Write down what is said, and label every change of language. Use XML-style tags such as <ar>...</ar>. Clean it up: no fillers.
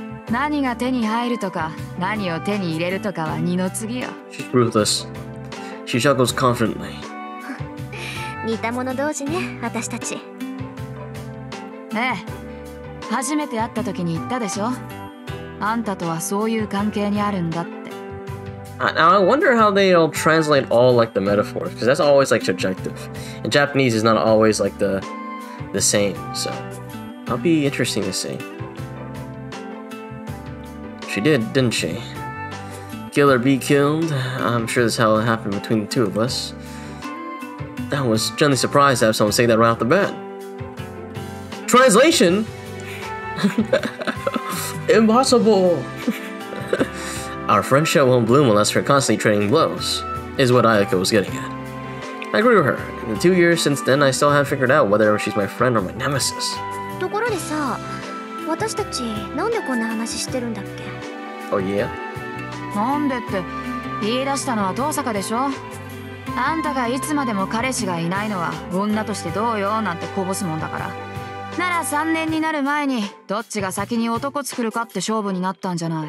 <ja>何が手に入るとか何を手に入れるとかは二の次よ。</ja> <en>She's ruthless. She shuffles confidently.</en> <ja>似た者同士ね私たち。ええ、初めて会った時に言ったでしょ。あんたとはそういう関係にあるんだって。</ja> <en>Now, I wonder how they all translate all like the metaphors, because that's always like subjective. And Japanese is not always like the same, so that'll be interesting to see. She did, didn't she? Kill or be killed? I'm sure this is how it happened between the two of us. I was genuinely surprised to have someone say that right off the bat. Translation? Impossible! Our friendship won't bloom unless we're constantly trading blows, is what Ayako was getting at. I agree with her. In the 2 years since then, I still haven't figured out whether she's my friend or my nemesis.</en> <ja>ところでさ、私たちなんでこんな話してるんだっけ?</ja> <en>Oh yeah?</en> <ja>なんでって、言い出したのは遠坂でしょ? あんたがいつまでも彼氏がいないのは女としてどうよなんてこぼすもんだから。なら3年になる前に、どっちが先に男作るかって勝負になったんじゃない?</ja>